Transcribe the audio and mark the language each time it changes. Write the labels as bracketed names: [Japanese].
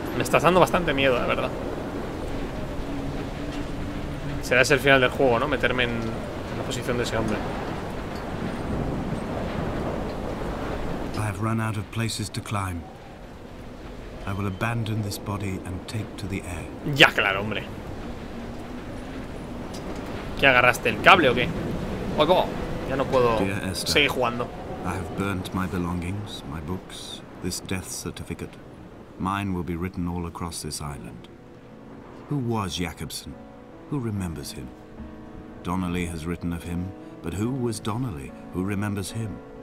[Spanish] Me estás dando bastante miedo, la verdad. Será ese el final del juego, ¿no? Meterme en la posición de ese hombre. [English] I have run out of places to climb. I will abandon this body and take to the air. [Spanish] Ya, claro, hombre. ¿Qué agarraste, el cable o qué? Oigo, ya no puedo seguir jugando. [English] I have burnt my belongings, my books, this death certificate. Mine will be written all across this island. Who was Jacobson? Who remembers him? Donnelly has written of him, but who was Donnelly? Who remembers him?